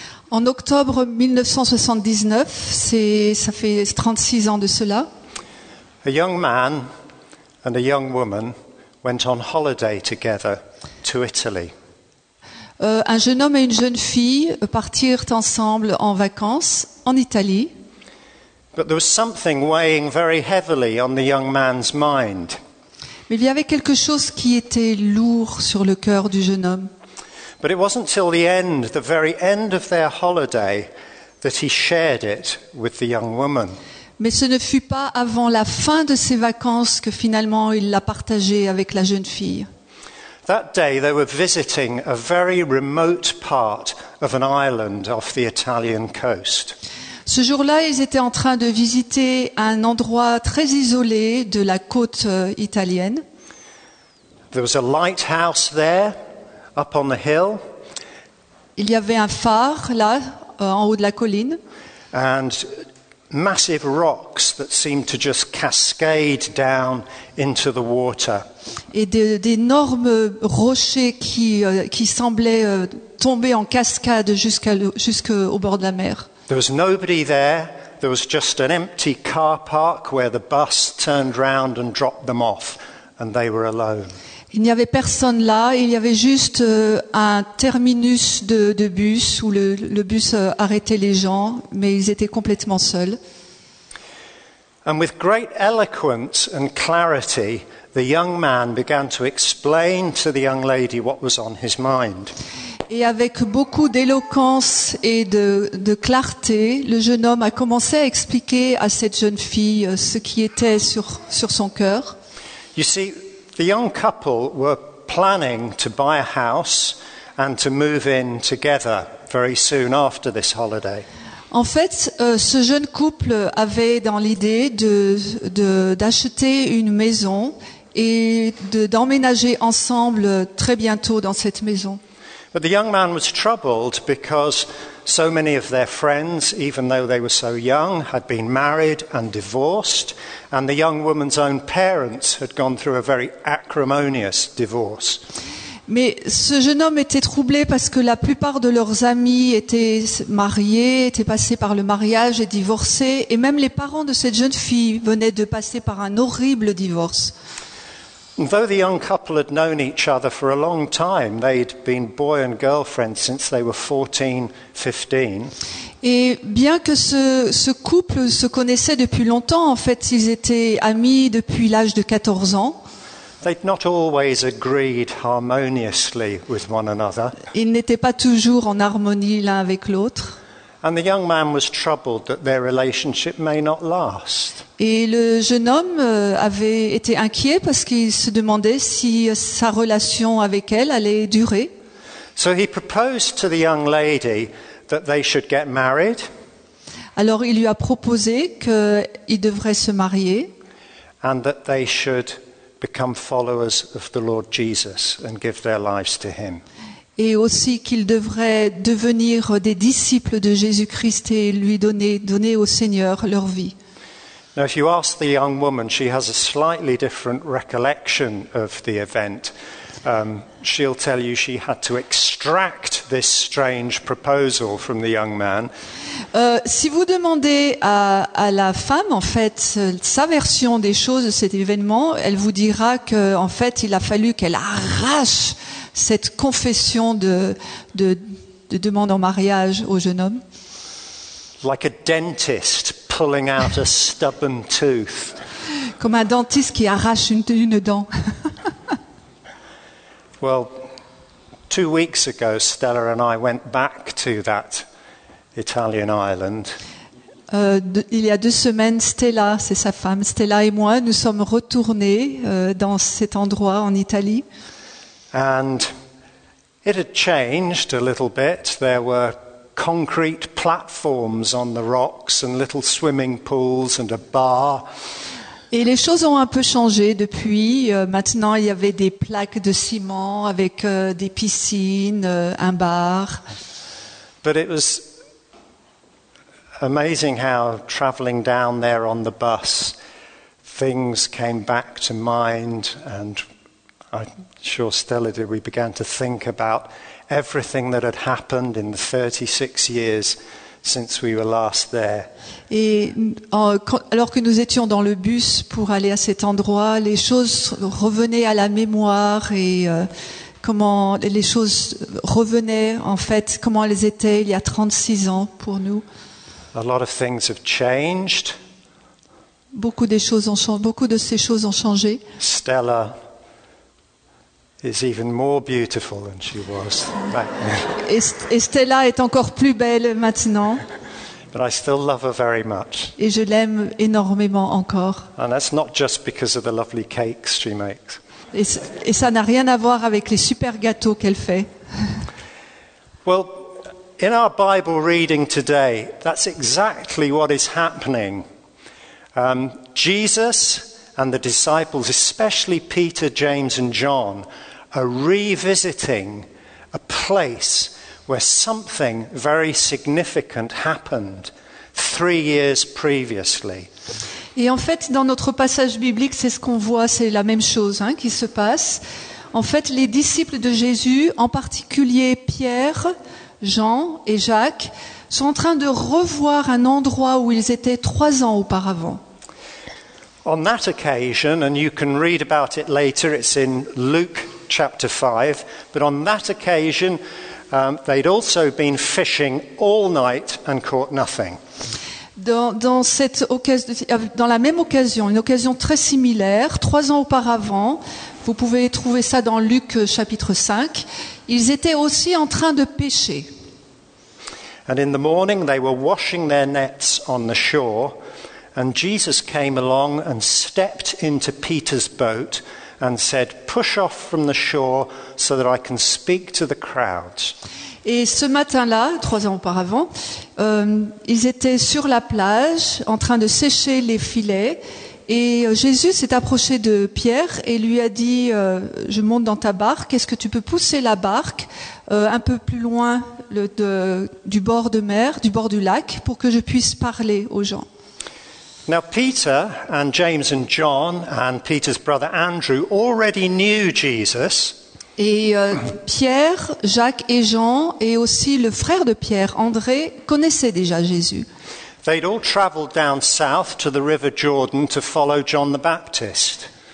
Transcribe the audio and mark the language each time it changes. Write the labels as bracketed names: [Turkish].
[French] En octobre 1979, ça fait 36 ans de cela. [English] A young man and a young woman went on holiday together to Italy. [French] Un jeune homme et une jeune fille partirent ensemble en vacances en Italie. [English] But there was something weighing very heavily on the young man's mind. [French] Mais il y avait quelque chose qui était lourd sur le cœur du jeune homme. [English] But it wasn't till the very end of their holiday that he shared it with the young woman. [French] Mais ce ne fut pas avant la fin de ses vacances que finalement il l'a partagé avec la jeune fille. [English] That day they were visiting a very remote part of an island off the Italian coast. [French] Ce jour-là, ils étaient en train de visiter un endroit très isolé de la côte italienne. [English] There was a lighthouse there up on the hill. [French] Il y avait un phare là en haut de la colline. [English] And massive rocks that seemed to just cascade down into the water. [French] Et d'énormes rochers qui semblaient tomber en cascade jusqu'au bord de la mer. [English] There was nobody there. There was just an empty car park where the bus turned round and dropped them off, and they were alone. [French] Il n'y avait personne là. Il y avait juste un terminus de bus où le bus arrêtait les gens, mais ils étaient complètement seuls. [English] And with great eloquence and clarity, the young man began to explain to the young lady what was on his mind. [French] Et avec beaucoup d'éloquence et de clarté, le jeune homme a commencé à expliquer à cette jeune fille ce qui était sur son cœur. [English] You see, the young couple were planning to buy a house and to move in together very soon after this holiday. [French] En fait, ce jeune couple avait dans l'idée d'acheter une maison et d'emménager ensemble très bientôt dans cette maison. [English] But the young man was troubled because so many of their friends, even though they were so young, had been married and divorced, and the young woman's own parents had gone through a very acrimonious divorce. [French] Mais ce jeune homme était troublé parce que la plupart de leurs amis étaient mariés, étaient passés par le mariage et divorcés, et même les parents de cette jeune fille venaient de passer par un horrible divorce. [English] Though the young couple had known each other for a long time, they'd been boy and girlfriend since they were 14, 15. [French] Et bien que ce couple se connaissait depuis longtemps, en fait, ils étaient amis depuis l'âge de 14 ans. [English] They'd not always agreed harmoniously with one another. [French] Ils n'étaient pas toujours en harmonie l'un avec l'autre. [English] And the young man was troubled that their relationship may not last. [French] Et le jeune homme avait été inquiet parce qu'il se demandait si sa relation avec elle allait durer. [English] So he proposed to the young lady that they should get married. [French] Alors il lui a proposé qu'ils devraient se marier. [English] And that they should become followers of the Lord Jesus and give their lives to him. [French] Et aussi qu'ils devraient devenir des disciples de Jésus-Christ et lui donner au Seigneur leur vie. [English] Now, if you ask the young woman, she has a slightly different recollection of the event. She'll tell you she had to extract this strange proposal from the young man. [French] Si vous demandez à la femme, en fait, sa version des choses de cet événement, elle vous dira que, en fait, il a fallu qu'elle arrache cette confession de demande en mariage au jeune homme. [English] Like a dentist pulling out a stubborn tooth. [French] Comme un dentiste qui arrache une dent. [English] Well, 2 weeks ago, Stella and I went back to that Italian island. [French] Il y a deux semaines, Stella, c'est sa femme, Stella et moi, nous sommes retournés dans cet endroit en Italie. [English] And it had changed a little bit. There were concrete platforms on the rocks and little swimming pools and a bar. [French] Et les choses ont un peu changé depuis. Maintenant, il y avait des plaques de ciment avec des piscines, un bar. [English] But it was amazing how traveling down there on the bus, things came back to mind, and I'm sure Stella did. We began to think about everything that had happened in the 36 years since we were last there. [French] Et alors que nous étions dans le bus pour aller à cet endroit, les choses revenaient à la mémoire et comment les choses revenaient en fait, comment elles étaient il y a 36 ans pour nous. [English] A lot of things have changed. [French] Beaucoup de ces choses ont changé. [English] Stella is even more beautiful than she was back then. [French] Et Stella est encore plus belle maintenant. [English] But I still love her very much. [French] Et je l'aime énormément encore. [English] And that's not just because of the lovely cakes she makes. [French] Et ça n'a rien à voir avec les super gâteaux qu'elle fait. [English] Well, in our Bible reading today, that's exactly what is happening. Jesus and the disciples, especially Peter, James, and John, are revisiting a place where something very significant happened 3 years previously. [French] Et en fait, dans notre passage biblique, c'est ce qu'on voit, c'est la même chose hein, qui se passe. En fait, les disciples de Jésus, en particulier Pierre, Jean et Jacques, sont en train de revoir un endroit où ils étaient 3 ans auparavant. [English] On that occasion, and you can read about it later, it's in Luke chapter 5, but on that occasion, they'd also been fishing all night and caught nothing. [French] Dans la même occasion, une occasion très similaire, 3 ans auparavant, vous pouvez trouver ça dans Luc chapitre 5, ils étaient aussi en train de pêcher. [English] And in the morning, they were washing their nets on the shore. And Jesus came along and stepped into Peter's boat and said, "Push off from the shore so that I can speak to the crowds." [French] Et ce matin-là, 3 ans auparavant, ils étaient sur la plage en train de sécher les filets. Et Jésus s'est approché de Pierre et lui a dit, "Je monte dans ta barque. Est-ce que tu peux pousser la barque un peu plus loin du bord de mer, du bord du lac, pour que je puisse parler aux gens?" [English] Now Peter and James and John and Peter's brother Andrew already knew Jesus. [French] Et Pierre, Jacques et Jean et aussi le frère de Pierre, André, connaissaient déjà Jésus. [English] They'd all traveled down south to the River Jordan to follow John the Baptist.